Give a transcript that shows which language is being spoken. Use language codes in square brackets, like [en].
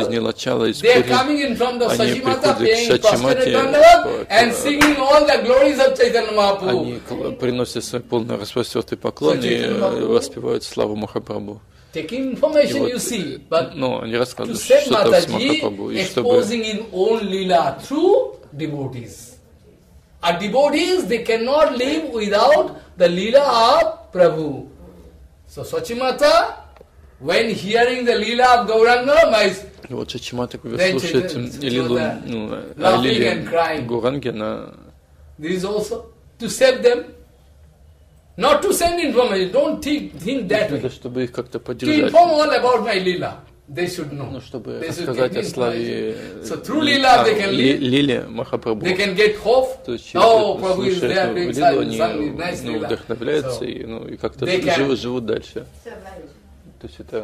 [ru] из Нилачала, из Пури, они приходят к Шачимати, они приносят свои полные распростертые поклоны и воспевают славу Махапрабху. [en] Taking information, вот, you see, but [ru] no, они рассказывают что-то с Махапрабху, и чтобы... [en] A devotees, they cannot live without the Leela of Prabhu. So Swachimata, when hearing the Leela of Gauranga, my... [ru] И вот Swachimata, когда слушает Лилу, ну, о Лиле Гауранге, она... [en] This is also to save them. Not to send information, don't think that way. [ru] Это чтобы их как-то поддержать. [en] To inform all about my Leela. They should know. [ru] Ну, чтобы рассказать о славе Лиле Махапрабху. [en] They can get hope. [ru] То есть, если слушают Лилу, они вдохновляются и как-то живут дальше. То есть, это,